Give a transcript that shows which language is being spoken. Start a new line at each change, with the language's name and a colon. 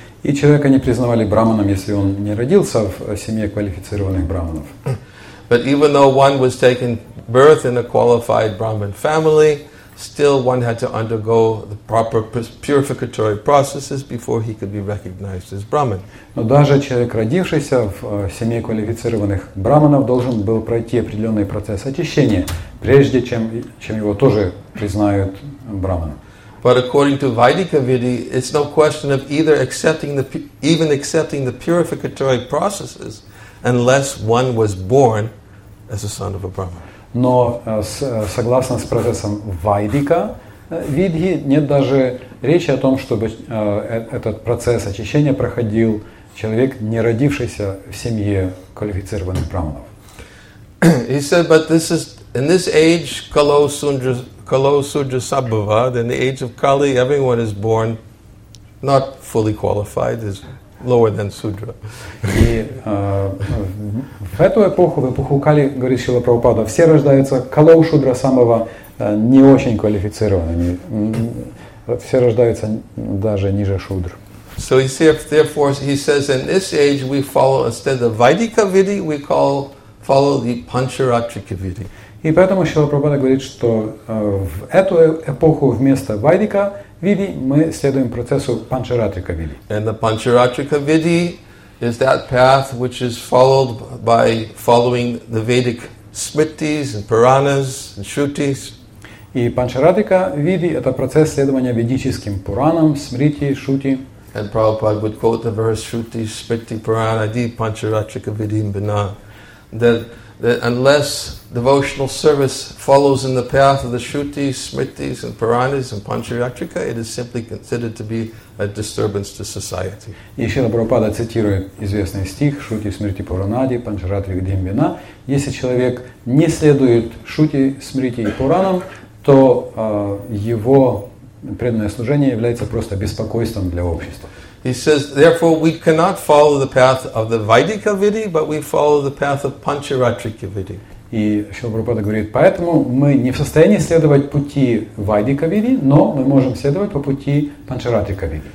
Russian: И человека не признавали Брахманом, если он не родился в семье квалифицированных Брахманов.
English: But even though one was taken birth in a qualified Brahmin family, still one had to undergo the proper purificatory processes before he could be recognized as Brahmin.
Russian: Но даже человек, родившийся в семье квалифицированных брахманов, должен был пройти определенный процесс очищения, прежде чем его тоже признают брахманом.
English: But according to Vaidika Vidhi, it's no question of either accepting the purificatory processes unless one was born as a son of a Brahmin.
Russian: Но согласно с процессом Вайдика Видхи, нет даже речи о том, чтобы этот процесс очищения проходил человек, не родившийся в семье квалифицированных брахманов.
English: He said, but this is in this age, Kalo Sundra Sabhava, in the age of Kali, everyone is born not fully qualified, is lower than Sudra.
Russian: И в эту эпоху, в эпоху Кали, говорит Шрила Прабхупада, все рождаются Калоу Шудра самого не очень квалифицированными. Все рождаются даже ниже Шудр.
English: So he said, therefore, he says, in this age we follow, instead of Vaidika Vidhi, we follow the Pancharatrika Vidhi.
Russian: И поэтому Шрила Прабхупада говорит, что в эту эпоху вместо Вайдика Vidhi, мы следуем процессу Pancharatrika Vidhi.
English: And the Pancharatrika Vidhi is that path which is followed by following the Vedic Smritis and Puranas and Shrutis.
Russian: И Pancharatrika Vidhi — это процесс следования ведическим Пуранам, Смрити, Шрути.
English: And Prabhupada would quote the verse
Sanskrit: Shruti Smriti Purana Di Pancharatrika Vidhi Bina.
English: That unless devotional service follows in the path of the Shrutis, Smritis, and Puranas, and Pancharatrika, it is simply considered to be a disturbance to society.
Russian: И Шрила Прабхупада цитирует известный стих
Sanskrit: Шрути Смрити Пуранади Панчаратрика Димбина.
Russian: Если человек не следует Шрути, Смрити и Пуранам, то его преданное служение является просто беспокойством для общества.
English: He says, therefore, we cannot follow the path of the Vaidika Vidhi, but we follow the path of Pancharatrika Vidhi.
Russian: И Шрила Прабхупада говорит, поэтому мы не в состоянии следовать пути Вайдика Видхи, но мы можем следовать по пути Pancharatrika Vidhi.